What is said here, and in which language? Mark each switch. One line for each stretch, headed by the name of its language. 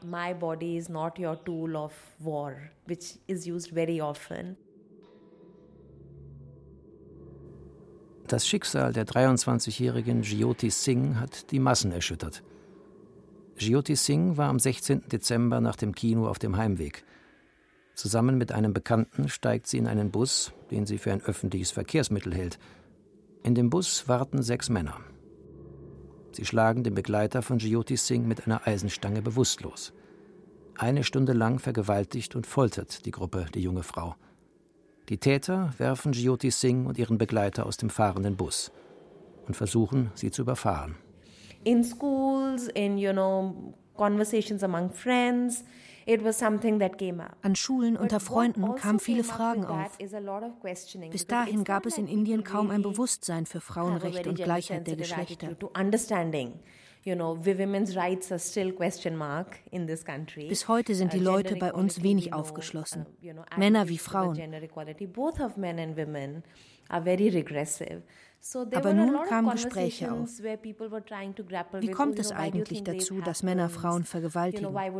English: My body is not your tool of war, which is used very often.
German: Das Schicksal der 23-jährigen Jyoti Singh hat die Massen erschüttert. Jyoti Singh war am 16. Dezember nach dem Kino auf dem Heimweg. Zusammen mit einem Bekannten steigt sie in einen Bus, den sie für ein öffentliches Verkehrsmittel hält. In dem Bus warten 6 Männer. Sie schlagen den Begleiter von Jyoti Singh mit einer Eisenstange bewusstlos. Eine Stunde lang vergewaltigt und foltert die Gruppe die junge Frau. Die Täter werfen Jyoti Singh und ihren Begleiter aus dem fahrenden Bus und versuchen, sie zu überfahren.
English: In schools, in, you know, conversations among friends, it was something that came up.
German: An Schulen unter Freunden kamen viele Fragen auf. Bis dahin gab es in Indien kaum ein Bewusstsein für Frauenrechte und Gleichheit der Geschlechter.
English: You know, women's rights are still question mark in this country.
German: Bis heute sind die Leute bei uns wenig aufgeschlossen. Männer wie Frauen.
English: Both of men and women are very regressive.
German: Aber nun kamen Gespräche auf. Wie kommt es eigentlich dazu, dass Männer Frauen vergewaltigen?